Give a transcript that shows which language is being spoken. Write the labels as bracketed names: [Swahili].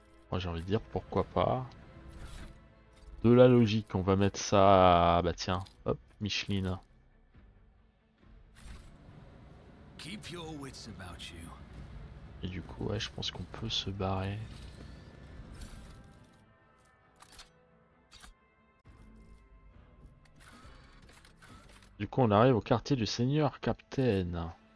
[French] Moi j'ai envie de dire pourquoi pas. De la logique, on va mettre ça. Bah tiens, hop, Micheline. [English] Keep your wits about you. [French] Et du coup, ouais, je pense qu'on peut se barrer. Du coup, on arrive au quartier du seigneur capitaine.